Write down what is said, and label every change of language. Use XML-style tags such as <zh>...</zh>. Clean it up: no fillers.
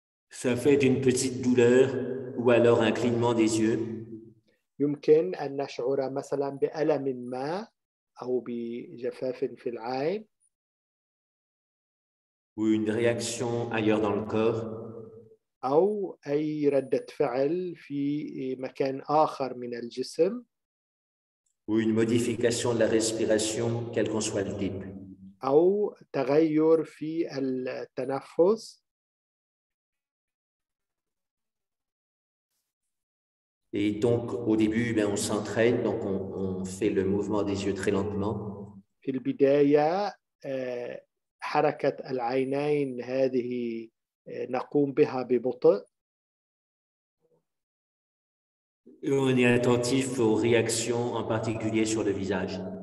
<fr>Ça fait une petite douleur ou alors un clignement des yeux.</fr> <ar>يمكن أن نشعر مثلا بألم ما أو بجفاف في العين.</ar> <fr>Ou une réaction ailleurs dans le corps.</fr> <ar>أو أي ردة فعل في مكان آخر من الجسم.</ar> <fr>Ou une modification de la respiration, quel qu'en soit le type.</fr> <ar>أو تغير في التنفس.</ar> <fr>Et donc, au début, ben, on s'entraîne, donc on fait le mouvement des yeux très lentement.</fr> <ar>في البداية حركة العينين هذه نقوم بها ببطء.</ar> <fr>Et on est attentif aux réactions, en particulier sur le visage.</fr>